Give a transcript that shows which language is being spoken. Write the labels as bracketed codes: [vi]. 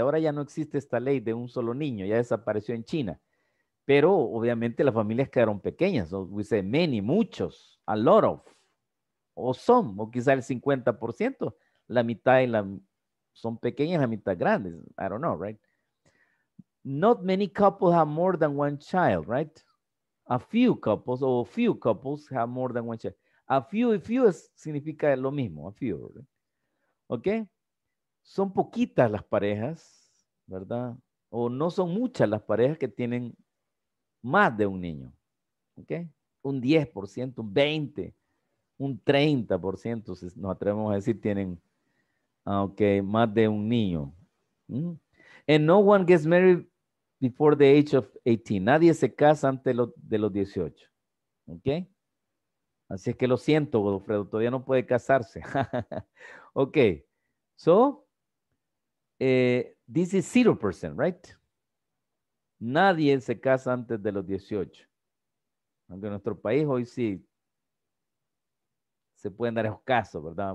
[es] Ahora ya no existe esta ley de un solo niño, ya desapareció en China. Pero obviamente las familias quedaron pequeñas. [en] So we say many, [es] muchos, [en] a lot of, [es] o some, o quizá el 50%. La mitad y la son pequeñas, la mitad grandes. [en] I don't know, right? Not many couples have more than one child, right? A few couples, o few couples have more than one child. A few y few [es] significa lo mismo, [en] a few, right? Okay? [es] Son poquitas las parejas, ¿verdad? O no son muchas las parejas que tienen más de un niño, ¿ok? Un 10%, un 20%, un 30%, si nos atrevemos a decir, tienen, ok, más de un niño. ¿Mm? [en] And no one gets married before the age of 18. [es] Nadie se casa antes de los 18, ¿ok? Así es que lo siento, Godofredo, todavía no puede casarse. [en] Ok, so, this is 0%, right? [es] Nadie se casa antes de los 18. Aunque en nuestro país hoy sí se pueden dar esos casos, ¿verdad?